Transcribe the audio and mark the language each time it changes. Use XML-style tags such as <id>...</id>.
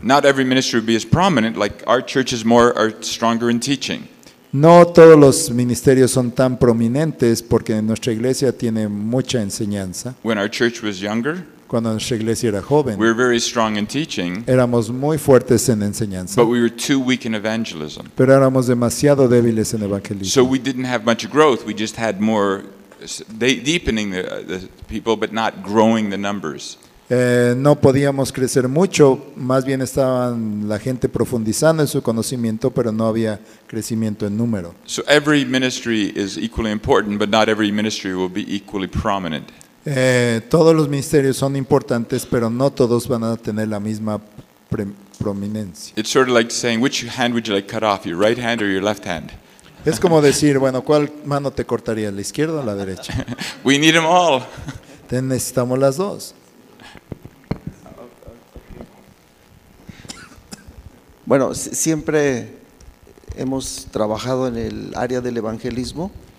<en>Not every ministry would be as prominent, like our church is more or stronger in teaching.</en> <es>No todos los ministerios son tan prominentes porque nuestra iglesia tiene mucha enseñanza.</es> <en>When our church was younger,</en> <es>cuando nuestra iglesia era joven,</es> <en>we were very strong in teaching,</en> <es>éramos muy fuertes en enseñanza.</es> <en>But we were too weak in evangelism.</en> <es>Pero éramos demasiado débiles en evangelismo.</es> <en>So we didn't have much growth, we just had more deepening the people but not growing the numbers.</en> <es>No podíamos crecer mucho, más bien estaban la gente profundizando en su conocimiento, pero no había crecimiento en número.</es> <en>So every ministry is equally important, but not every ministry will be equally prominent.</en> <es>Todos los ministerios son importantes, pero no todos van a tener la misma prominencia.</es> <en>It's sort of like saying, which hand would you like cut off, your right hand or your left hand?</en> <es>Es como decir, bueno, ¿cuál mano te cortaría, la izquierda o la derecha?</es> <en>We need them all.</en> <es>Entonces necesitamos las dos. Bueno, siempre hemos trabajado en el área del evangelismo.</es>